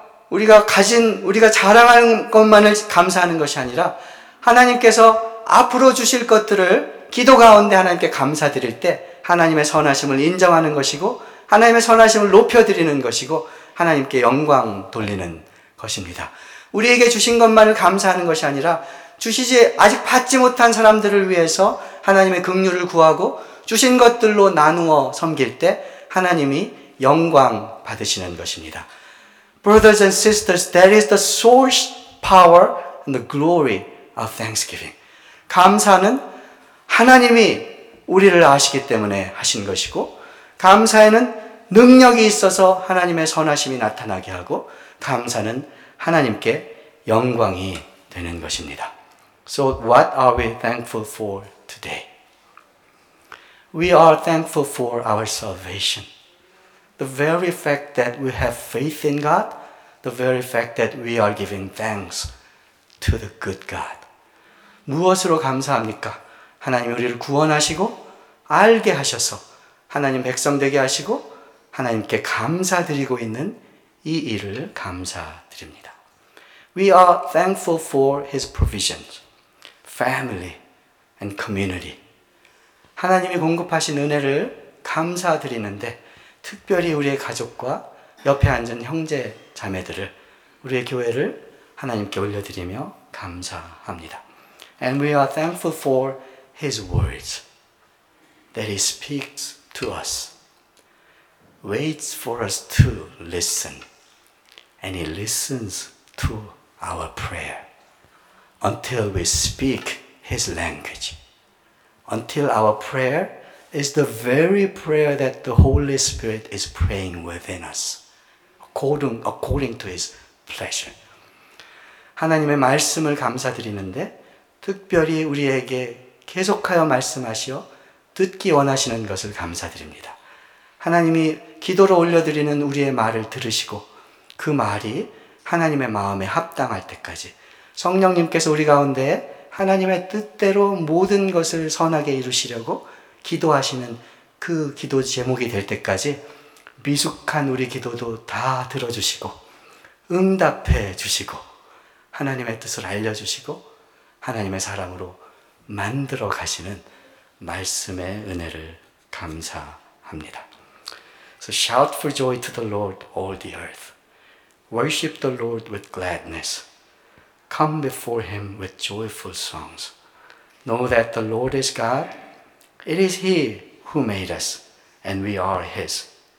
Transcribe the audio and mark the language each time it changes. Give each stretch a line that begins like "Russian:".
Korean: 우리가 자랑하는 것만을 감사하는 것이 아니라 하나님께서 앞으로 주실 것들을 기도 가운데 하나님께 감사드릴 때 하나님의 선하심을 인정하는 것이고 하나님의 선하심을 높여드리는 것이고 하나님께 영광 돌리는 것입니다. 우리에게 주신 것만을 감사하는 것이 아니라 주시지 아직 받지 못한 사람들을 위해서 하나님의 긍휼을 구하고 주신 것들로 나누어 섬길 때 하나님이 영광 받으시는 것입니다.
English: Brothers and sisters, that is the source, power, and the glory of thanksgiving.
Korean: 감사는 하나님이 우리를 아시기 때문에 하신 것이고 감사에는 능력이 있어서 하나님의 선하심이 나타나게 하고 감사는 하나님께 영광이 되는 것입니다.
English: So what are we thankful for today? We are thankful for our salvation. The very fact that we have faith in God, the very fact that we are giving thanks to the good God.
Korean: 무엇으로 감사합니까? 하나님 우리를 구원하시고 알게 하셔서 하나님 백성 되게 하시고 하나님께 감사드리고 있는 이 일을 감사드립니다.
English: We are thankful for His provisions, family and community.
Korean: 하나님이 공급하신 은혜를 감사드리는데 특별히 우리의 가족과 옆에 앉은 형제 자매들을 우리의 교회를 하나님께 올려드리며 감사합니다.
English: And we are thankful for His words that He speaks to us, waits for us to listen, and He listens to our prayer until we speak His language. Until our prayer is the very prayer that the Holy Spirit is praying within us, according to His pleasure.
Korean: 하나님의 말씀을 감사드리는데 특별히 우리에게 계속하여 말씀하시어 듣기 원하시는 것을 감사드립니다. 하나님이 기도로 올려드리는 우리의 말을 들으시고 그 말이 하나님의 마음에 합당할 때까지 성령님께서 우리 가운데 하나님의 뜻대로 모든 것을 선하게 이루시려고 기도하시는 그 기도 제목이 될 때까지 미숙한 우리 기도도 다 들어주시고 응답해 주시고 하나님의 뜻을 알려주시고 하나님의 사람으로 만들어 가시는 말씀의 은혜를 감사합니다.
English: So shout for joy to the Lord, all the earth. Worship the Lord with gladness. Come before Him with joyful songs. Know that the Lord is God. It is He who made us, and we are His.